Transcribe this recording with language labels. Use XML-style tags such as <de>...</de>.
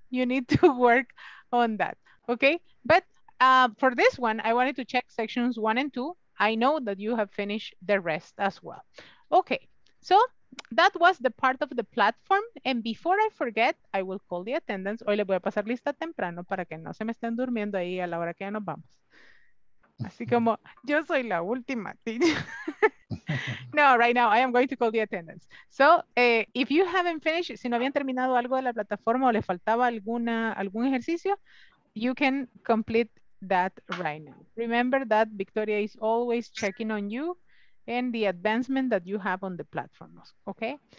<en>You need to work on that, okay? But for this one, I wanted to check sections one and two. I know that you have finished the rest as well. Okay, so that was the part of the platform. And before I forget, I will call the attendance.</en> <es>Hoy le voy a pasar lista temprano para que no se me estén durmiendo ahí a la hora que ya nos vamos. Así como, yo soy la última.</es> <en>No, right now, I am going to call the attendance. So, if you haven't finished,</en> <es>si no habían terminado algo de la plataforma o le faltaba algún ejercicio,</es> <en>you can complete that right now. Remember that Victoria is always checking on you and the advancement that you have on the platform, okay?</en>